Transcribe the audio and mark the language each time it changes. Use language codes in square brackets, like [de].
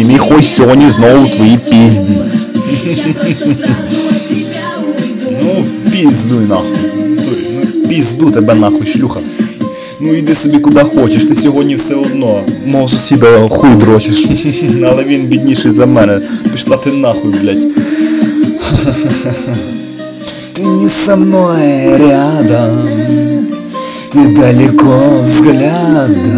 [uk] Мій хуй сьогодні знову твої пізді. [ru] Я просто сразу от тебя уйду. Ну пиздуй нахуй. Пизду тебе нахуй, шлюха. [uk] Ну іди собі куди хочеш, ти сьогодні все одно мого сусіда хуй дрочиш. Але він бідніший за мене. Пішла ти нахуй, блядь. [ru] Ти не со мною рядом, ти далеко взглядом.